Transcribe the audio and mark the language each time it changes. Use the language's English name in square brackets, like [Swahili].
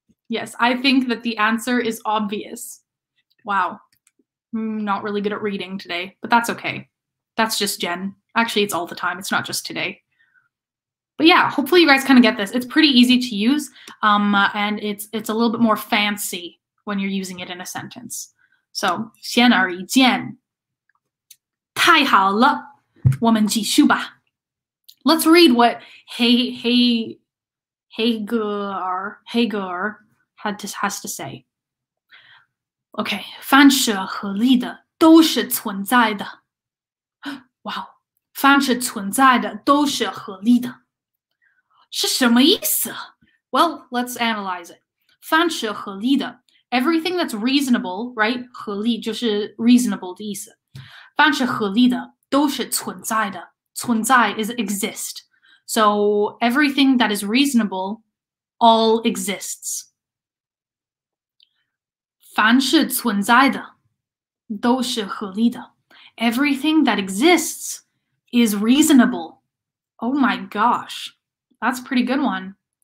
[English] Yes, I think that the answer is obvious. Wow. Not really good at reading today, but that's okay. That's just Jen. Actually, it's all the time. It's not just today. But yeah, hopefully you guys kind of get this. It's pretty easy to use, and it's a little bit more fancy when you're using it in a sentence. [Chinese] So, 显而易见。太好了，我们继续吧。 [English] Let's read what Hager has to say. [Chinese] Okay, 凡是合理的都是存在的. Wow, 凡是存在的都是合理的. 是什么意思? [English] Well, let's analyze it. [Chinese] 凡是合理的, [English] everything that's reasonable, right? [Chinese] 合理就是 reasonable 的意思. 凡是合理的都是存在的. [English] 存在 is exist. So everything that is reasonable all exists. [Chinese] 凡是存在的都是合理的. [English] Everything that exists is reasonable. Oh my gosh, that's a pretty good one.